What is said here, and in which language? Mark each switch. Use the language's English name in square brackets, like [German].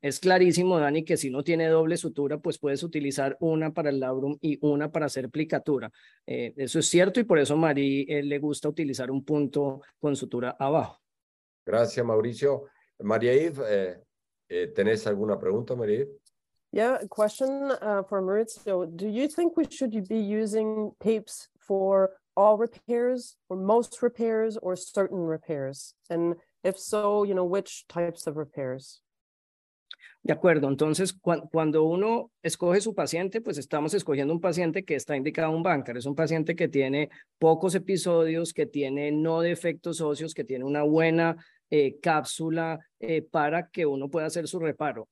[Spanish] Es clarísimo, Dani, que si uno tiene doble sutura, pues puedes utilizar una para el labrum y una para hacer aplicatura. Eso es cierto, y por eso a Mari le gusta utilizar un punto con sutura abajo. Gracias, Mauricio. María Yves, ¿tenés alguna pregunta, María Yves? [English] Yeah, question for Maurizio. Do you think we should be using tapes for all repairs, or most repairs, or certain repairs? And if so, you know, which types of repairs? [Spanish] De acuerdo. Entonces, cuando uno escoge su paciente, pues estamos escogiendo un paciente que está indicado un bunker. Es un paciente que tiene pocos episodios, que tiene no defectos óseos, que tiene una buena cápsula para que uno pueda hacer su reparo.